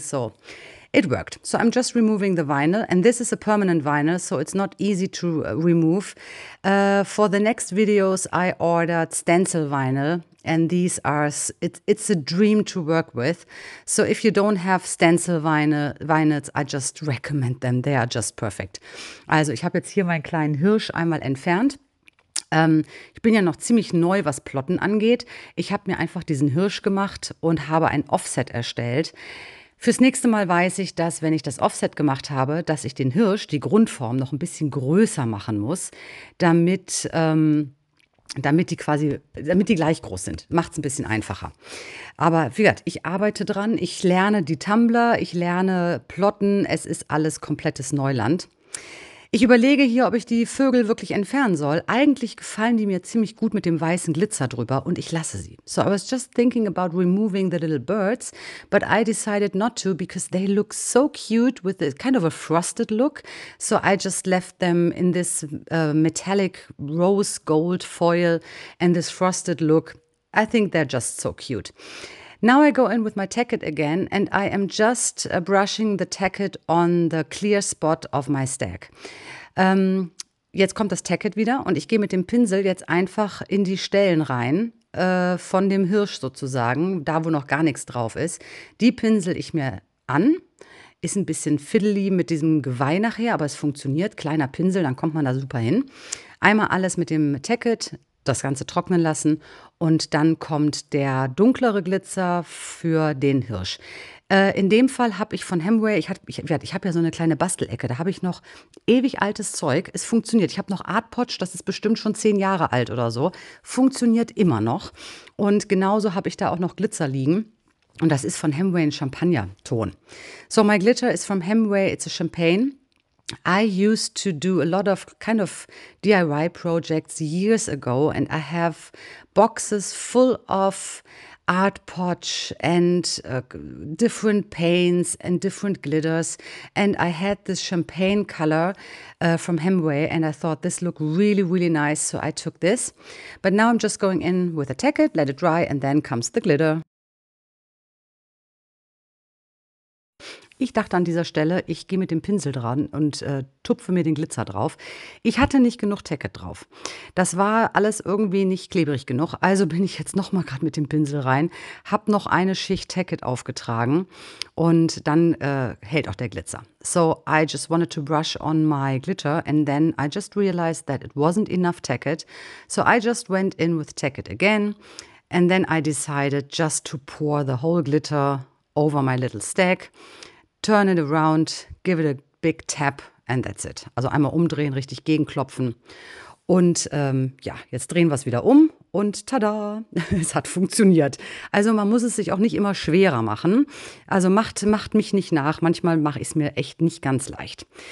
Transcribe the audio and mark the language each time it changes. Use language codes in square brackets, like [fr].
[en] So it worked. So I'm just removing the vinyl, and this is a permanent vinyl, so it's not easy to remove. For the next videos, I ordered stencil vinyl, and these are, it's a dream to work with. So if you don't have stencil vinyls, I just recommend them. They are just perfect. [de] Also ich habe jetzt hier meinen kleinen Hirsch einmal entfernt. Ich bin ja noch ziemlich neu, was Plotten angeht. Ich habe mir einfach diesen Hirsch gemacht und habe ein Offset erstellt. Fürs nächste Mal weiß ich, dass, wenn ich das Offset gemacht habe, dass ich den Hirsch, die Grundform, noch ein bisschen größer machen muss, damit die gleich groß sind. Macht es ein bisschen einfacher. Aber wie gesagt, ich arbeite dran, ich lerne die Tumblr, ich lerne Plotten, es ist alles komplettes Neuland. Ich überlege hier, ob ich die Vögel wirklich entfernen soll. Eigentlich gefallen die mir ziemlich gut mit dem weißen Glitzer drüber und ich lasse sie. [en] So I was just thinking about removing the little birds, but I decided not to because they look so cute with a kind of a frosted look. So I just left them in this metallic rose gold foil and this frosted look. I think they're just so cute. Now I go in with my tacket again and I am just brushing the tacket on the clear spot of my stag. [de] Jetzt kommt das Tacket wieder und ich gehe mit dem Pinsel jetzt einfach in die Stellen rein, von dem Hirsch sozusagen, da wo noch gar nichts drauf ist. Die pinsel ich mir an, ist ein bisschen fiddly mit diesem Geweih nachher, aber es funktioniert. Kleiner Pinsel, dann kommt man da super hin. Einmal alles mit dem Tacket, das Ganze trocknen lassen und dann kommt der dunklere Glitzer für den Hirsch. In dem Fall habe ich von Hemway, ich habe ja so eine kleine Bastelecke, da habe ich noch ewig altes Zeug, es funktioniert. Ich habe noch Artpotch, das ist bestimmt schon 10 Jahre alt oder so, funktioniert immer noch. Und genauso habe ich da auch noch Glitzer liegen und das ist von Hemway ein Champagner-Ton. [en] So my glitter is from Hemway, it's a champagne. I used to do a lot of kind of DIY projects years ago and I have boxes full of art potch and different paints and different glitters and I had this champagne color from Hemway and I thought this looked really, really nice, so I took this. But now I'm just going in with a tacket, let it dry and then comes the glitter. [de] Ich dachte an dieser Stelle, ich gehe mit dem Pinsel dran und tupfe mir den Glitzer drauf. Ich hatte nicht genug Tacket drauf. Das war alles irgendwie nicht klebrig genug. Also bin ich jetzt nochmal gerade mit dem Pinsel rein, habe noch eine Schicht Tacket aufgetragen und dann hält auch der Glitzer. [en] So I just wanted to brush on my glitter and then I just realized that it wasn't enough Tacket. So I just went in with Tacket again and then I decided just to pour the whole glitter over my little stack. Turn it around, give it a big tap and that's it. [de] Also einmal umdrehen, richtig gegenklopfen und ja, jetzt drehen wir es wieder um und tada, es hat funktioniert. Also man muss es sich auch nicht immer schwerer machen. Also macht mich nicht nach, manchmal mache ich es mir echt nicht ganz leicht.